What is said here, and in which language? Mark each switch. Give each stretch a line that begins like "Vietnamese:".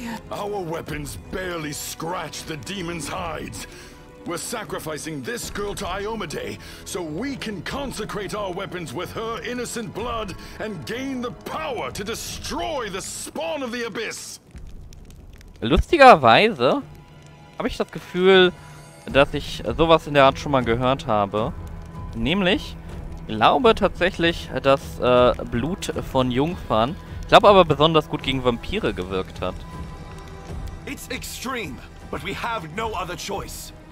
English: Our weapons barely scratch the demon's hides. We're sacrificing this girl to Iomedae, so we can consecrate our weapons with her innocent blood and gain the power to destroy the spawn of the abyss.
German: Lustigerweise habe ich das Gefühl, dass ich sowas in der Art schon mal gehört habe. Nämlich, glaube tatsächlich, dass Blut von Jungfern, glaube aber besonders gut gegen Vampire gewirkt hat.
English: It's extreme, but we have no other choice.